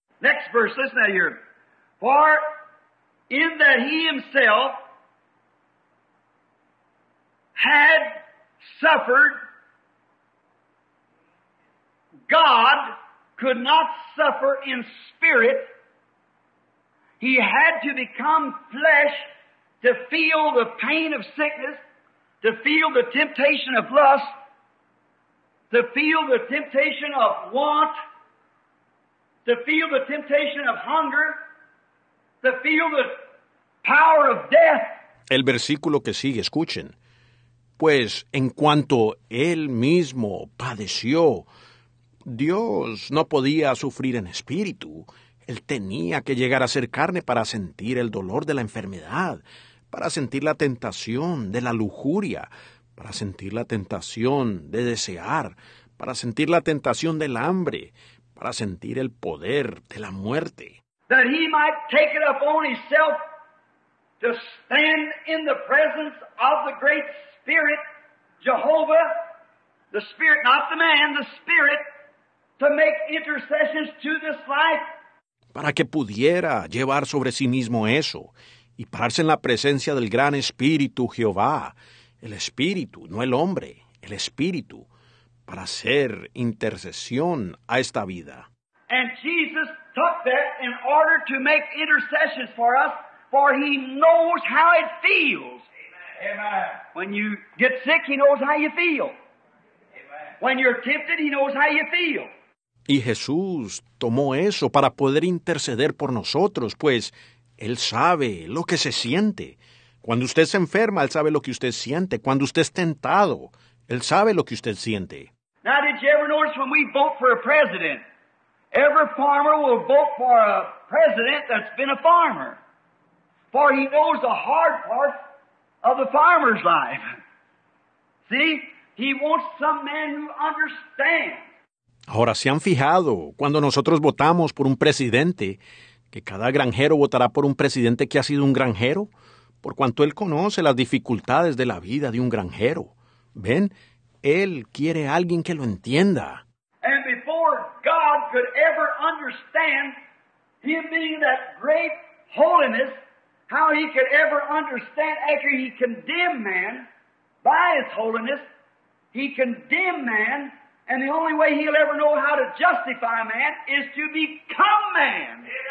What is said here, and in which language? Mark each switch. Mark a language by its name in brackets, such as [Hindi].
[English] Next verse, listen to here. For in that he himself had suffered, God could not suffer in spirit. He had to become flesh to feel the pain of sickness, to feel the temptation of lust, to feel the temptation of want, to feel the temptation of hunger, to feel the power of death. [Spanish] El versículo que sigue, escuchen. Pues en cuanto él mismo padeció, Dios no podía sufrir en espíritu. Él tenía que llegar a ser carne para sentir el dolor de la enfermedad, para sentir la tentación de la lujuria, para sentir la tentación de desear, para sentir la tentación del hambre, para sentir el poder de la muerte. [English] That he might take it upon himself to stand in the presence of the great Spirit, Jehovah, the Spirit, not the man, the Spirit, to make intercessions to this life. [Spanish] Para que pudiera llevar sobre sí mismo eso y pararse en la presencia del gran Espíritu Jehová, el Espíritu, no el hombre, el Espíritu, para hacer intercesión a esta vida. [English] And Jesus took that in order to make intercessions for us, for he knows how it feels. Amen. When you get sick, he knows how you feel. Amen. When you're tempted, he knows how you feel. [Spanish] Y Jesús tomó eso para poder interceder por nosotros, pues Él sabe lo que se siente. Cuando usted se enferma, Él sabe lo que usted siente. Cuando usted es tentado, Él sabe lo que usted siente. [English] Now, did you ever notice when we vote for a president? Every farmer will vote for a president that's been a farmer. For he knows the hard part of the farmer's life. See? He wants some man who understands. [Spanish] Ahora, ¿se han fijado cuando nosotros votamos por un presidente, que cada granjero votará por un presidente que ha sido un granjero? Por cuanto él conoce las dificultades de la vida de un granjero. ¿Ven? Él quiere a alguien que lo entienda. [English] And before God could ever understand him being that great holiness, how he could ever understand after he condemned man by his holiness, he condemned man. And the only way he'll ever know how to justify man is to become man.